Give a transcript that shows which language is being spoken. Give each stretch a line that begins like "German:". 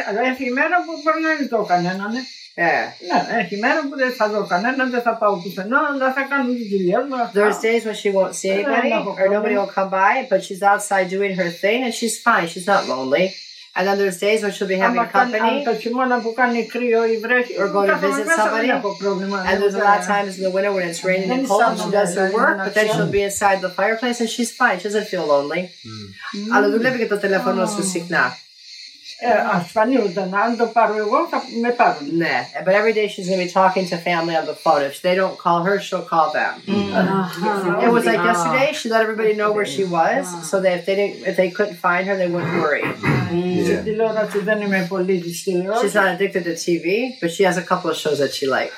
Greek: Έχει μέρα που μπορεί να μην δω κανέναν, ναι. Έχει μέρα που δεν θα δω κανέναν, δεν θα πάω πουθενά, αλλά θα κάνω τη δουλειά μου.
English: There's days when she won't see anybody, or nobody will come by, but she's outside doing her thing, and she's fine. She's not lonely. And then there's days when she'll be having company, or going to visit somebody. And there's a lot of times in the winter when it's raining and cold, and she does her work, but then she'll be inside the fireplace, and she's fine. She doesn't feel lonely.
Greek: Αλλά δουλεύει και το τηλέφωνο σου συχνά. Ασφανίζονται, αν το πάρω εγώ, θα με πάρουν.
English: Ναι, but every day she's going to be talking to family on the phone. If they don't call her, she'll call them. It was like yesterday, she let everybody know where she was, so that if they couldn't find her, they wouldn't worry. She's not addicted to TV, but she has a couple of shows that she likes.